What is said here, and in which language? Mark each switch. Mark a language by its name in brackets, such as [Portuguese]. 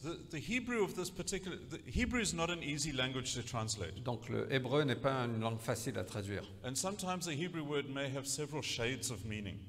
[English] The Hebrew of this particular, the Hebrew is not an easy language to translate. [French] Donc le hébreu n'est pas une langue facile à traduire. [English] And sometimes the Hebrew word may have several shades of meaning.